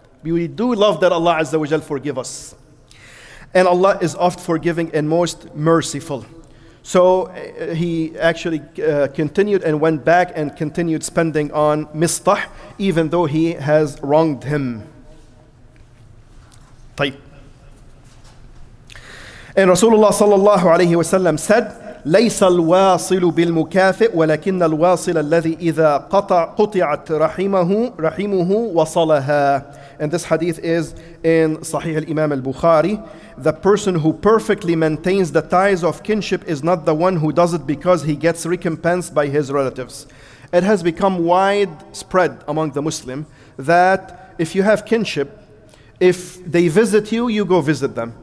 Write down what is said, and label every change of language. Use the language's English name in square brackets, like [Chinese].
[English] We do love that Allah Azza wa Jal forgive us. And Allah is oft forgiving and most merciful. So he actually continued and went back and continued spending on mistah, even though he has wronged him. [Arabic] طيب. [English] And Rasulullah sallallahu alayhi wa sallam said, [Arabic] لَيْسَ الْوَاصِلُ بِالْمُكَافِئِ وَلَكِنَّ الْوَاصِلَ الَّذِي إِذَا قُطِعَتْ رَحِيمُهُ وَصَلَهَا. [English] And this hadith is in Sahih al-Imam al-Bukhari. The person who perfectly maintains the ties of kinship is not the one who does it because he gets recompense by his relatives. It has become widespread among the Muslim that if you have kinship, if they visit you, you go visit them.